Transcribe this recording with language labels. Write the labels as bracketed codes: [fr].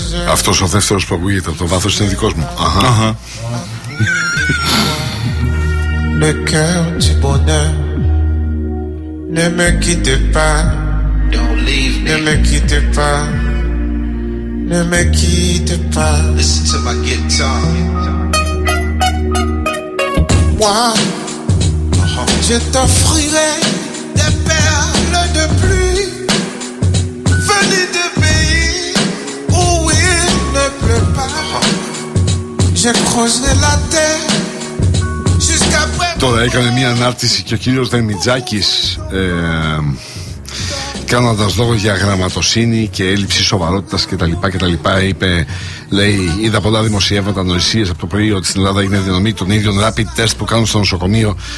[el] Αυτός ο δεύτερος που ακούγεται από το βάθος είναι δικός μου. Αχα. [fr] Le cœur du bonheur ne me quitte pas. [en] Don't leave me. [fr] Ne me quitte pas. Ne me quitte pas. [en] Listen to my guitar. [fr] Moi, je t'offrirai des perles de pluie venues de pays où il ne pleut pas. Je creuserai la terre. [el] Τώρα έκανε μια ανάρτηση και ο κύριος Δεμιτζάκης, κάνοντας λόγο για γραμματοσύνη και έλλειψη σοβαρότητας κτλ. Είπε, λέει, είδα πολλά δημοσιεύματα ανοησίες από το πρωί ότι στην Ελλάδα έγινε διανομή των ίδιων rapid test που κάνουν στο νοσοκομείο.